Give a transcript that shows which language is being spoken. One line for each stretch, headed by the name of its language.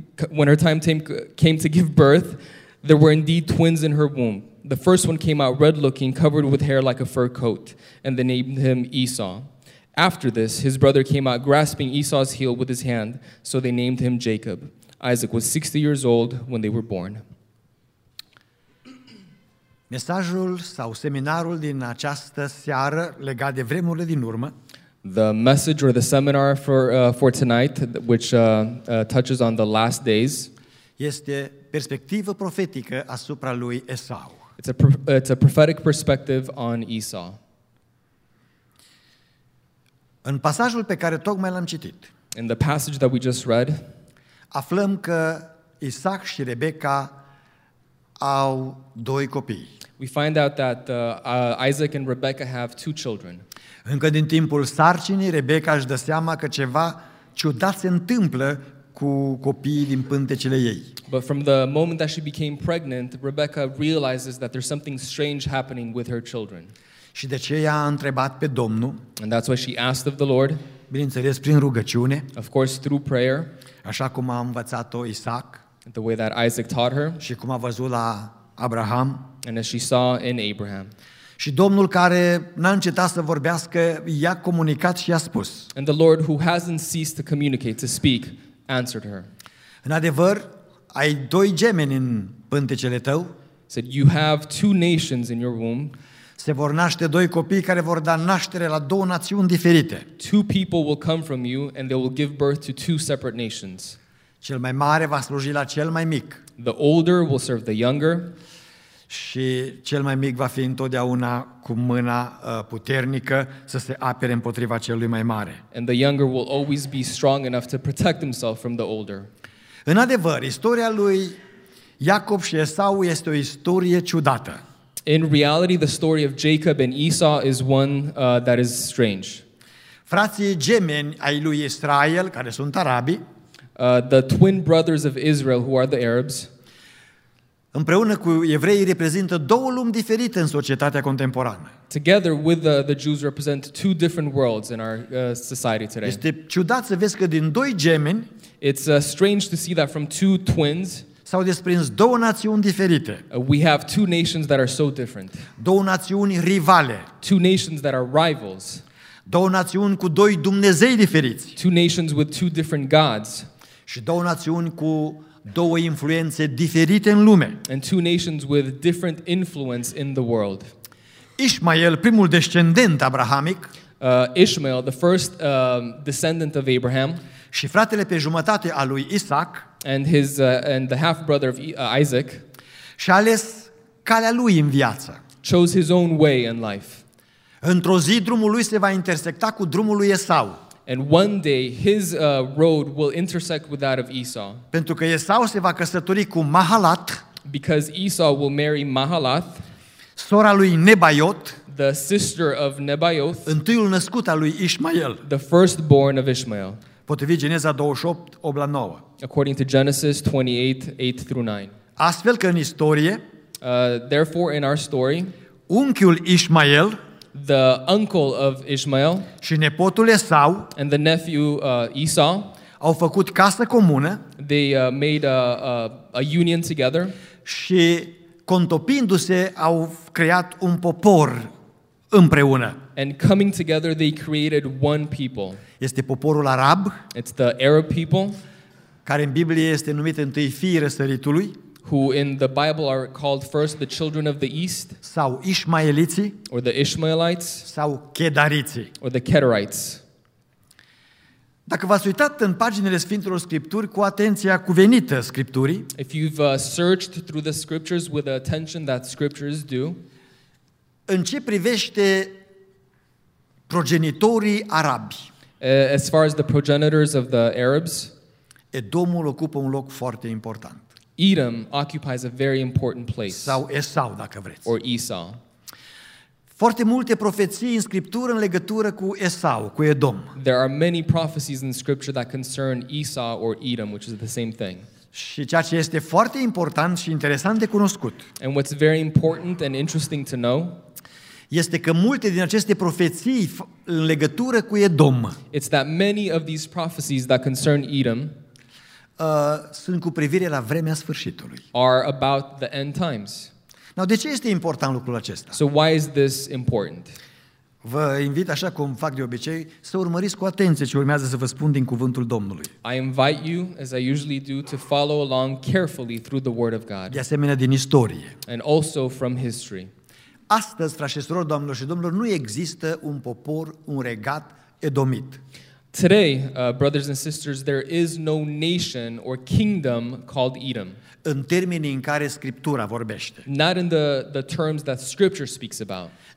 English: When her time came to give birth, there were indeed twins in her womb. The first one came out red-looking, covered with hair like a fur coat, and they named him Esau. After this, his brother came out grasping Esau's heel with his hand, so they named him Jacob. Isaac was 60 years old when they were born.
Romanian: Mesajul sau seminarul din această seară legat de vremurile din urmă.
English: The message or the seminar for tonight, which touches on the last days,
Romanian: este perspectivă profetică asupra lui Esau.
English: It's a prophetic perspective on Esau.
Romanian: În pasajul pe care tocmai l-am citit,
English: in the passage that we just read,
Romanian: aflăm că Isaac și Rebecca au doi copii.
English: We find out that Isaac and Rebecca have two children.
Romanian: Încă din timpul sarcinii, Rebecca își dă seama că ceva ciudat se întâmplă cu copiii din pântecele ei.
English: But from the moment that she became pregnant, Rebecca realizes that there's something strange happening with her children.
Romanian: Și de ce ea a întrebat pe Domnul?
English: And that's what she asked of the Lord.
Romanian: Bineînțeles, prin rugăciune.
English: Of course, through prayer.
Romanian: Așa cum a învățat-o Isaac.
English: The way that Isaac taught her.
Romanian: Și cum a văzut la Abraham.
English: And as she saw in Abraham.
Romanian: Și Domnul, care n-a încetat să vorbească, i-a comunicat și i-a spus.
English: And the Lord, who hasn't ceased to communicate, to speak, answered her.
Romanian: În adevăr, ai doi gemeni în pântecele tău.
English: Said, you have two nations in your womb.
Romanian: Se vor naște doi copii care vor da naștere la două națiuni diferite.
English: Two people will come from you and they will give birth to two separate nations.
Romanian: Cel mai mare va sluji la cel mai mic.
English: The older will serve the younger.
Romanian: Și cel mai mic va fi întotdeauna cu mâna puternică să se apere împotriva celui mai mare.
English: And the younger will always be strong enough to protect himself from the older.
Romanian: În adevăr, istoria lui Iacob și Esau este o istorie ciudată.
English: In reality, the story of Jacob and Esau is one that is strange.
Romanian: Frații gemeni ai lui Israel, care sunt arabi,
English: the twin brothers of Israel, who are the Arabs,
Romanian: împreună cu evreii reprezintă două lumi diferite în societatea contemporană.
English: Together with the Jews represent two different worlds in our society today.
Romanian: Este ciudat să vezi că din doi gemeni,
English: it's strange to see that from two twins,
Romanian: s-au desprins două națiuni diferite.
English: We have two nations that are so different.
Romanian: Două națiuni rivale.
English: Two nations that are rivals.
Romanian: Două națiuni cu doi dumnezei diferiți.
English: Two nations with two different gods.
Romanian: Și două națiuni cu două influențe diferite în lume.
English: And two nations with different influence in the world.
Romanian: Ismael, primul descendent abrahamic,
English: Ishmael, the first descendant of Abraham,
Romanian: și fratele pe jumătate al lui Isaac,
English: and the half brother of Isaac,
Romanian: și-a ales calea lui în viață.
English: Chose his own way in life.
Romanian: Într-o zi drumul lui se va intersecta cu drumul lui Esau.
English: And one day his road will intersect with that of Esau.
Romanian: Pentru că Esau se va căsători cu Mahalat.
English: Because Esau will marry Mahalath,
Romanian: sora lui Nebaiot,
English: the sister of Nebaioth,
Romanian: întâiul născut al lui Ishmael,
English: the firstborn of Ishmael.
Romanian: Potrivit Geneza 28, 8 la 9.
English: According to Genesis 28, 8 through 9.
Romanian: Astfel că în istorie,
English: therefore in our story,
Romanian: unchiul Ishmael,
English: the uncle of Ishmael,
Romanian: și nepotul Esau,
English: and the nephew Esau,
Romanian: au făcut casă comună.
English: They made a union together.
Romanian: Și contopindu-se au creat un popor împreună.
English: And coming together they created one people.
Romanian: Este poporul arab.
English: It's the Arab people.
Romanian: Care în Biblie este numit întâi fiii răsăritului.
English: Who in the Bible are called first the children of the east.
Romanian: Sau ishmaeliții.
English: Or the Ishmaelites.
Romanian: Sau kedariții.
English: Or the Kedarites.
Romanian: Dacă v-ați uitat în paginile Sfintelor Scripturi cu atenția cuvenită Scripturii,
English: if you've searched through the Scriptures with the attention that Scriptures do,
Romanian: în ce privește progenitorii arabi,
English: as far as the progenitors of the Arabs,
Romanian: Edomul ocupă un loc foarte important.
English: Edom occupies a very important place.
Romanian: Sau Esau, dacă vreți.
English: Or Esau.
Romanian: Foarte multe profeții în Scriptură în legătură cu Esau, cu Edom.
English: There are many prophecies in Scripture that concern Esau or Edom, which is the same thing.
Romanian: Și ceea ce este foarte important și interesant de cunoscut.
English: And what's very important and interesting to know,
Romanian: este că multe din aceste profeții în legătură cu Edom,
English: it's that many of these prophecies that concern Edom,
Romanian: sunt cu privire la vremea sfârșitului.
English: Are about the end times.
Romanian: Now, de ce este important lucrul acesta?
English: So why is this important?
Romanian: Vă invit, așa cum fac de obicei, să urmăriți cu atenție ce urmează să vă spun din cuvântul Domnului.
English: I invite you, as I usually do, to follow along carefully through the word of God.
Romanian: De asemenea, din istorie.
English: And also from history.
Romanian: Astăzi, frașesorilor, doamnelor și domnilor, nu există un popor, un regat edomit.
English: Today, brothers and sisters, there is no nation or kingdom called Edom.
Romanian: În termenii în care Scriptura vorbește.
English: Not in the terms that Scripture speaks about.